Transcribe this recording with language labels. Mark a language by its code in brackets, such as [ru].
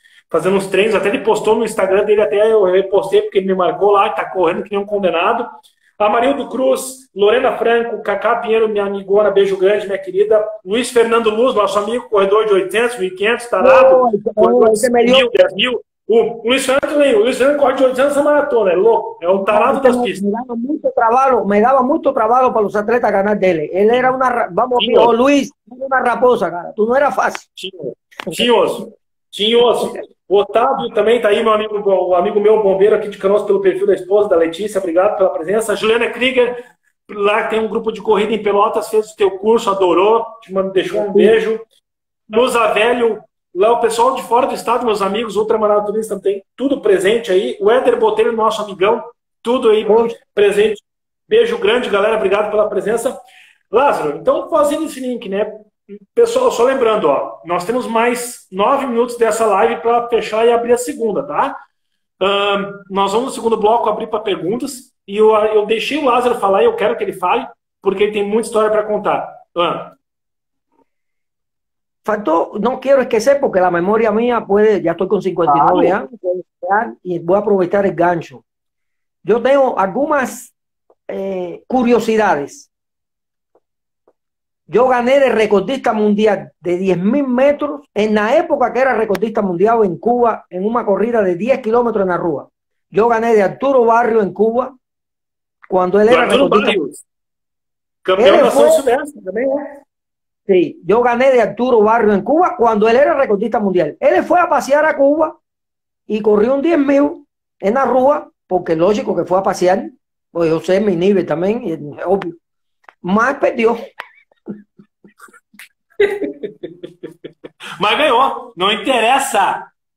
[pt] Fazendo uns treinos, até ele postou no Instagram dele, até eu repostei, porque ele me marcou lá, que tá correndo que nem um condenado. Amarildo Cruz, Lorena Franco, Cacá Pinheiro, minha amigona, beijo grande, minha querida. Luiz Fernando Luz, nosso amigo, corredor de 800, 1.500, tarado, corredor de Esse é melhor. 5.000, 10 mil. Luiz Fernando corre de 800 na maratona, é louco, é o tarado das pistas. [es] Me daba mucho trabajo para los atletas ganar dele. Él era una, vamos, [pt] Tinhoso. [es] Luis, una raposa, cara. Tú no era fácil. [pt] Tinhoso. Tinhoso. Otávio também está aí, meu amigo, o amigo meu, bombeiro aqui de Canoas, pelo perfil da esposa, da Letícia. Obrigado pela presença. Juliana Krieger, lá tem um grupo de corrida em Pelotas, fez o teu curso, adorou, te mando, deixou um beijo. Musa Velho, Lá o pessoal de fora do estado, meus amigos, ultramaraturistas, tem tudo presente aí. O Éder Botelho, nosso amigão, tudo aí presente. Beijo grande, galera. Obrigado pela presença. Lázaro, então fazendo esse link, né? Pessoal, só lembrando, ó, nós temos mais 9 minutos dessa live para fechar e abrir a segunda, tá? Nós vamos no segundo bloco abrir para perguntas. E eu deixei o Lázaro falar e eu quero que ele fale, porque ele tem muita história para contar. [es] Faltó, no quiero esquecer porque la memoria mía puede, ya estoy con 59 [pt] Claro. [es] años y voy a aprovechar el gancho. Yo tengo algunas curiosidades. Yo gané el recordista mundial de 10.000 metros en la época que era recordista mundial en Cuba, en una corrida de 10 kilómetros en la Rúa. Yo gané de Arturo Barrio en Cuba cuando él [pt] Do [es] era [pt] Arturo [es] recordista. [pt] Barrios, campeão [es] Él [pt] da [es] fue. [pt] Ação Sudeste também, né? [es] Sí, yo gané de Arturo Barrio en Cuba cuando él era recordista mundial. Él fue a pasear a Cuba y corrió un 10.000 en la Rúa, porque lógico que fue a pasear, pues yo sé mi nivel también, y es obvio. Más perdió. [pt] Mas ganhou, não interessa.